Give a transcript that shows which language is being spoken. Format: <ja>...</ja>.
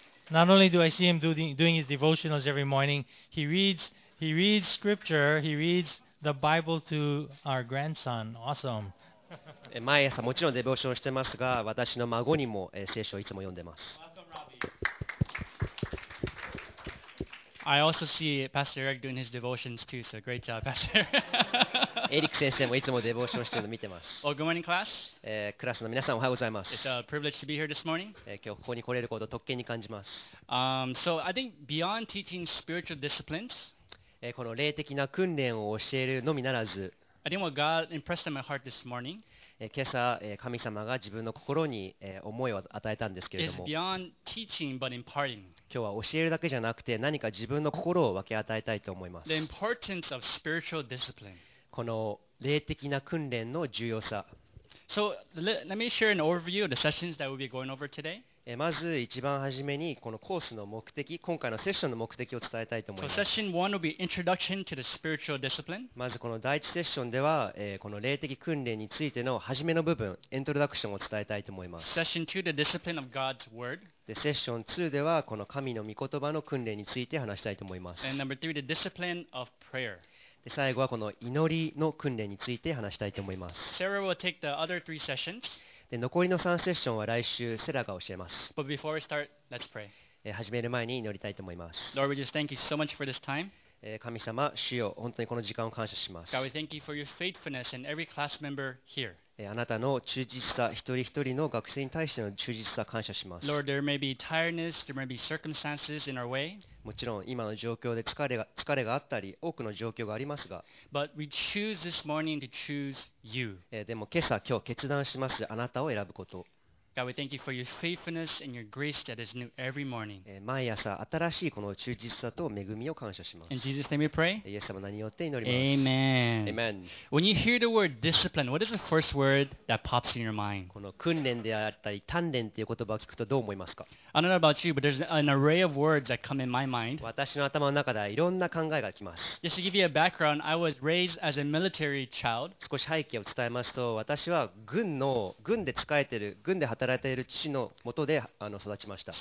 <en>Not only do I see him doing his devotionals every morning, he reads scripture, he reads the Bible to our grandson. Awesome.</en> <ja>毎朝もちろんデボーションしてますが、私の孫にも聖書をいつも読んでます。</ja> <en>I also see Pastor Eric doing his devotions too, so great job, Pastor.</en> <ja>エリック先生もいつもデボーションしてるの見てます。</ja> <en>Well, good morning, class.</en> <ja>クラスの皆さん、おはようございます。</ja> <en>It's a privilege to be here this morning.</en> <ja>今日ここに来れることを特権に感じます。</ja> <en>So I think beyond teaching spiritual disciplines,</en> <ja>この霊的な訓練を教えるのみならず、</ja> <en>I think what God impressed on my heart this morning,</en> <ja>今朝、神様が自分の心に、思いを与えたんですけれども、</ja> <en>is beyond teaching but imparting.</en> <ja>今日は教えるだけじゃなくて、何か自分の心を分け与えたいと思います。</ja> <en>The importance of spiritual discipline.</en> <ja>この霊的な訓練の重要さ。</ja> <en>So, let me share an overview of the sessions that we'll be going over today.</en> <ja>まず一番初めに、このコースの目的、今回のセッションの目的を伝えたいと思います。</ja> <en>So, session one will be introduction to the spiritual discipline.</en> <ja>まずこの第一セッションでは、この霊的訓練についての初めの部分、エントロダクションを伝えたいと思います。</ja> <en>Session two, the discipline of God's word.</en> <ja>で、セッション2では、この神の御言葉の訓練について話したいと思います。</ja> <en>And number three, the discipline of prayer.</en> <ja>で、最後はこの祈りの訓練について話したいと思います。</ja> <en>Sarah will take the other three sessions.</en> <ja>で残りの3セッションは来週セラが教えます。</ja> <en>But before we start, let's pray.</en> <ja>始める前に祈りたいと思います。</ja> <en>Lord, we just thank you so much for this time.</en> <ja>神様、主よ、本当にこの時間を感謝します。</ja> <en>God, we thank you for your faithfulness and every class member here.</en> <ja>あなたの忠実さ、一人一人の学生に対しての忠実さ感謝します。</ja> <en>Lord, there may be tiredness, there may be circumstances in our way.</en> <ja>もちろん今の状況で疲れがあったり、多くの状況がありますが。</ja> <en>But we choose this morning to choose you.</en> <ja>でも今朝、今日決断します、あなたを選ぶこと。</ja> <en>God, we thank you for your faithfulness and your grace that is new every morning.</en> <ja>毎朝新しいこの忠実さと恵みを感謝します。</ja> <en>In Jesus' name we pray.</en> <ja>イエス様によって祈ります。</ja> <en>Amen. Amen. When you hear the word discipline, what is the first word that pops in your mind?</en> <ja>この訓練であったり鍛錬という言葉を聞くとどう思いますか？</ja> <en>I don't know about you, but there's an array of words that come in my mind.</en> <ja>私の頭の中ではいろんな考えがきます。</ja> <en>Just to give you a background, I was raised as a military child.</en> <ja>少し背景を伝えますと、私は軍で使えている、軍で働いている父の元で育ちました。</ja>